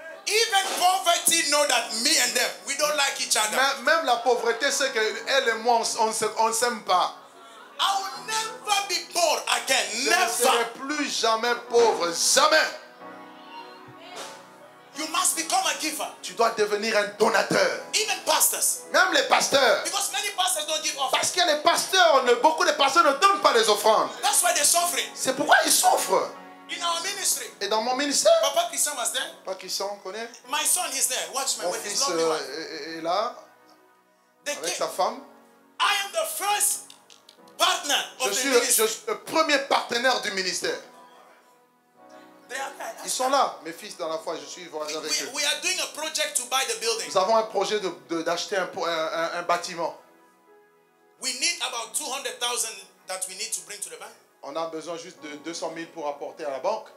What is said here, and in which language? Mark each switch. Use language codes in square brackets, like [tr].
[en] Even poverty know that me and them, we don't like each other. [fr] Même la pauvreté sait que elle et moi on s'aime pas. [en] I will never be poor again. Never. [fr] Je ne serai plus jamais pauvre, jamais. [en] You must become a giver. [fr] Tu dois devenir un donateur. [en] Even pastors. [fr] Même les pasteurs. [en] Because many pastors don't give offerings. [fr] Parce que les pasteurs, beaucoup de pasteurs ne donnent pas les offrandes. [en] That's why they're suffering. [fr] C'est pourquoi ils souffrent. [en] In our ministry. [fr] Et dans mon ministère. [en] Papa Christian was there. [fr] Papa Christian, connais. [en] My son is there. Watch my [fr] wife. Mon fils est là. Avec sa femme. [en] I am the first partner of the ministry. [fr] Je suis le premier partenaire du ministère. Ils sont là, mes fils dans la foi. Je suis voisin avec eux. [en] We are doing a project to buy the building. [fr] Nous avons un projet d'acheter un bâtiment. [en] We need about 200,000 that we need to bring to the bank. [fr] On a besoin juste de 200 000 pour apporter à la banque.